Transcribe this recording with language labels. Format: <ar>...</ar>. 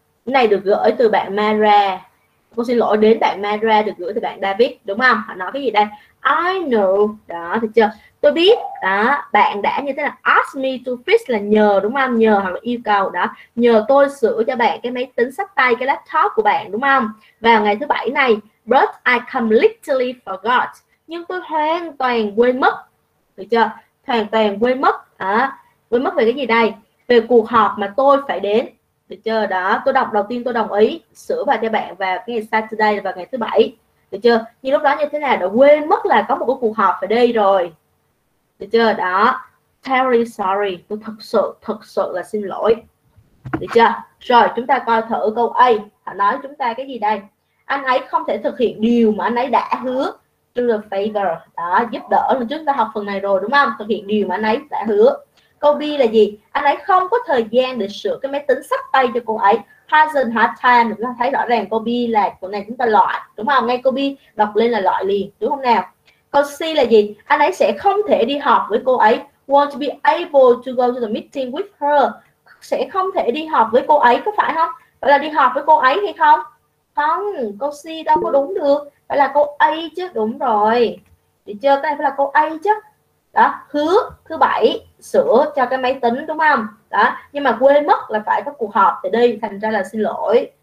<vi>Cái này được gửi từ bạn Maria. Cô xin lỗi, đến bạn Maria, được gửi từ bạn David, đúng không? Họ nói cái gì đây?</vi> <en>I know,</en> <vi>đó, thấy chưa? Tôi biết, đó, bạn đã như thế là</vi> <en>ask me to fix</en> <vi>là nhờ, đúng không? Nhờ hoặc là yêu cầu, đó. Nhờ tôi sửa cho bạn cái máy tính xách tay, cái laptop của bạn, đúng không? Vào ngày thứ bảy này.</vi> <en>But I completely forgot.</en> <vi>Nhưng tôi hoàn toàn quên mất. Được chưa? Hoàn toàn quên mất. À, quên mất về cái gì đây? Về cuộc họp mà tôi phải đến. Được chưa? Đó. Tôi đọc đầu tiên, tôi đồng ý sửa vào cho bạn vào cái ngày Saturday và ngày thứ bảy. Được chưa? Nhưng lúc đó như thế nào? Đã quên mất là có một cái cuộc họp phải đi rồi. Được chưa? Đó. Terry,</vi> <en>sorry,</en> <vi>tôi thật sự là xin lỗi. Được chưa? Rồi chúng ta coi thử câu A, họ nói chúng ta cái gì đây? Anh ấy không thể thực hiện điều mà anh ấy đã hứa.</vi> <en>Do the favor,</en> <vi>đó, giúp đỡ. Chúng ta học phần này rồi đúng không? Thực hiện điều mà anh ấy đã hứa. Câu B là gì? Anh ấy không có thời gian để sửa cái máy tính sắp tay cho cô ấy.</vi> <en>Hasn't had time.</en> <vi>Chúng ta thấy rõ ràng câu B là câu này chúng ta loại đúng không? Ngay câu B đọc lên là loại liền đúng không nào? Câu C là gì? Anh ấy sẽ không thể đi họp với cô ấy.</vi> <en>Won't be able to go to the meeting with her.</en> <vi>Sẽ không thể đi họp với cô ấy, có phải không? Phải là đi họp với cô ấy hay không? Không, câu C đâu có đúng được. Phải là câu A chứ, đúng rồi. Thì chưa, cái này phải là câu A chứ. Đó, hứa thứ bảy sửa cho cái máy tính đúng không? Đó, nhưng mà quên mất là phải có cuộc họp để đi. Thành ra là xin lỗi.</vi>